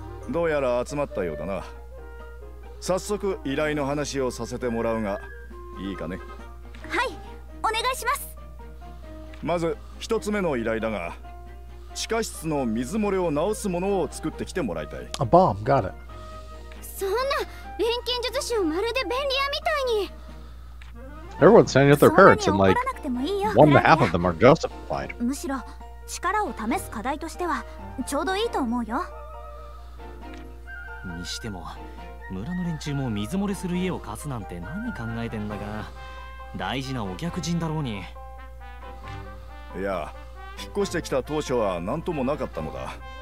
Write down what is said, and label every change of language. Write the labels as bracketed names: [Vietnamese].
[Japanese] どうやら集まったようだな。早速依頼の話をさせてもらうが、いいかね。はい、お願いします。まず一つ目の依頼だが、地下室の水漏れを直すものを作ってきてもらいたい。 [English] A bomb, got it. [Japanese] そんな錬金術師をまるで便利屋みたいに。 [English] Everyone's standing with their parents, and like one and a half of them are justified. [Japanese] むしろ力を試す課題としてはちょうどいいと思うよ。にしても村の連中も水漏れする家を貸すなんて何考えてんだが、大事なお客人だろうに。いや、引っ越してきた当初は何ともなかったのだ。